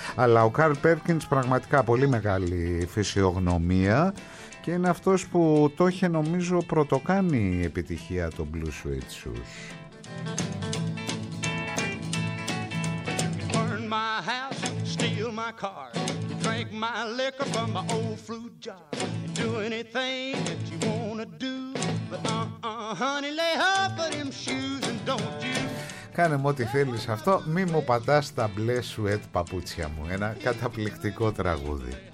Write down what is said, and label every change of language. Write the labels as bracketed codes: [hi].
[el] Αλλά ο Carl Perkins πραγματικά πολύ μεγάλη φυσιογνωμία. Και είναι αυτός που το είχε, νομίζω, πρωτοκάνει η επιτυχία των Blue Sweet Shoes. [en] Burn my house, steal my car, drink my liquor from my old fruit jar. Do anything that you wanna do, but honey, lay off of them shoes and don't you. [el] Κάνε μου ό,τι θέλεις αυτό, μη μου πατάς τα μπλε σουέτ παπούτσια μου. Ένα καταπληκτικό τραγούδι.